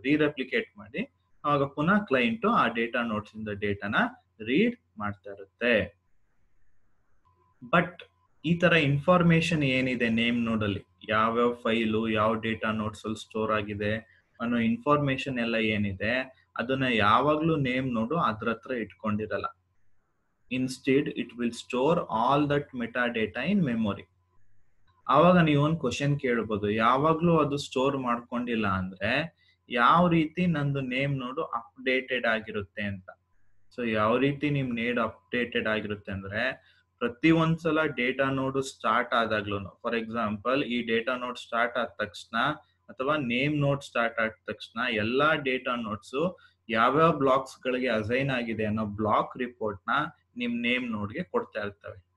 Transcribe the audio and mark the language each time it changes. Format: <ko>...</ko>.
<kn>ರೀರೆಪ್ಲಿಕೇಟ್ ಮಾಡಿ ಅವಾಗ ಪುನಃ ಕ್ಲೈಂಟ್ ಆ ಡೇಟಾ ನೋಟ್ಸ್ ಇಂದ ಡೇಟಾನ ರೀಡ್ ಮಾಡ್ತಾ ಇರುತ್ತೆ. ಬಟ್ ಈ ತರ ಇನ್ಫಾರ್ಮೇಶನ್ ಏನಿದೆ ನೇಮ್ ನೋಡ್ ಅಲ್ಲಿ, ಯಾವ್ಯಾವ ಫೈಲು ಯಾವ ಡೇಟಾ ನೋಟ್ಸ್ ಅಲ್ಲಿ ಸ್ಟೋರ್ ಆಗಿದೆ ಅನ್ನೋ ಇನ್ಫಾರ್ಮೇಶನ್ ಎಲ್ಲ ಏನಿದೆ ಅದನ್ನ ಯಾವಾಗ್ಲೂ ನೇಮ್ ನೋಡು ಅದ್ರ ಹತ್ರ ಇಟ್ಕೊಂಡಿರಲ್ಲ.</kn> <en>Instead, it will store all that metadata in memory.</en> <kn>ಅವಾಗ ನೀವು ಒಂದು ಕ್ವಶನ್ ಕೇಳ್ಬೋದು, ಯಾವಾಗ್ಲೂ ಅದು ಸ್ಟೋರ್ ಮಾಡ್ಕೊಂಡಿಲ್ಲ ಅಂದ್ರೆ ಯಾವ ರೀತಿ ನಂದು ನೇಮ್ ನೋಡು ಅಪ್ಡೇಟೆಡ್ ಆಗಿರುತ್ತೆ ಅಂತ. ಸೊ ಯಾವ ರೀತಿ ನಿಮ್ ನೇಡ್ ಅಪ್ಡೇಟೆಡ್ ಆಗಿರುತ್ತೆ ಅಂದ್ರೆ ಪ್ರತಿ ಒಂದ್ಸಲ ಡೇಟಾ ನೋಡು ಸ್ಟಾರ್ಟ್ ಆದಾಗ್ಲೂ, ಫಾರ್ ಎಕ್ಸಾಂಪಲ್ ಈ ಡೇಟಾ ನೋಡ್ ಸ್ಟಾರ್ಟ್ ಆದ ತಕ್ಷಣ ಅಥವಾ ನೇಮ್ ನೋಡ್ ಸ್ಟಾರ್ಟ್ ಆದ ತಕ್ಷಣ ಎಲ್ಲಾ ಡೇಟಾ ನೋಟ್ಸ್ ಯಾವ್ಯಾವ ಬ್ಲಾಕ್ಸ್ ಗಳಿಗೆ ಅಸೈನ್ ಆಗಿದೆ ಅನ್ನೋ ಬ್ಲಾಕ್ ರಿಪೋರ್ಟ್ ನ ನಿಮ್ ನೇಮ್ ನೋಡ್ಗೆ ಕೊಡ್ತಾ ಇರ್ತವೆ.</kn>